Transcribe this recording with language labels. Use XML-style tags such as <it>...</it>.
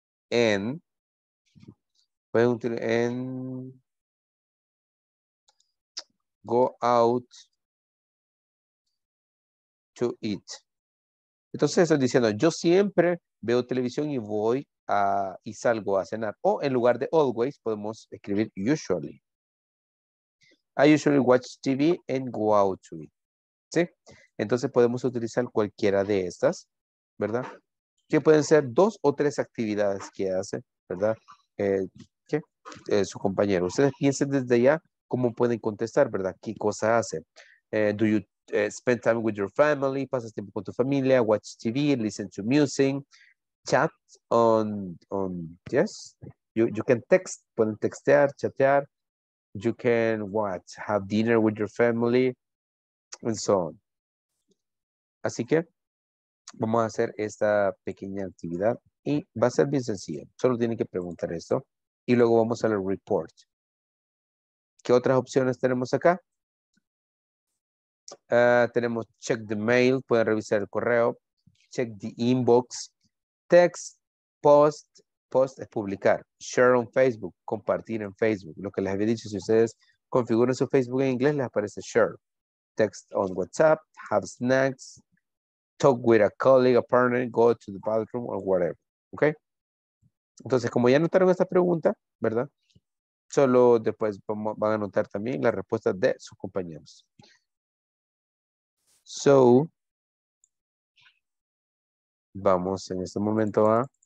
<en>And, pueden utilizar en go out to eat.</en> <es>Entonces estoy diciendo, yo siempre veo televisión y voy a y salgo a cenar. O en lugar de always, podemos escribir usually.</es> <en>I usually watch TV and go out to eat.</en> <es>¿Sí? Entonces podemos utilizar cualquiera de estas, ¿verdad? Que pueden ser dos o tres actividades que hace, ¿verdad? Su compañero. Ustedes piensen desde ya cómo pueden contestar, ¿verdad?</es> <en>¿Qué cosa hace? Do you spend time with your family? ¿Pasas tiempo con tu familia? ¿Watch TV? ¿Listen to music? ¿Chat on yes? You can text.</en> <es>Pueden textear, chatear. You can watch.</es> <en>Have dinner with your family. And so on.</en> <es>Así que vamos a hacer esta pequeña actividad y va a ser bien sencilla. Solo tienen que preguntar esto. Y luego vamos al report. ¿Qué otras opciones tenemos acá?</es> <en>Tenemos check the mail, pueden revisar el correo, check the inbox, text, post es publicar, share on Facebook, compartir en Facebook.</en> <es>Lo que les había dicho, si ustedes configuran su Facebook en inglés, les aparece share.</es> <en>Text on WhatsApp, have snacks, talk with a colleague, a partner, go to the bathroom or whatever. ¿Ok?</en> <es>Entonces, como ya anotaron esta pregunta, ¿verdad? Solo después van a anotar también la respuesta de sus compañeros. So, vamos en este momento a...</es>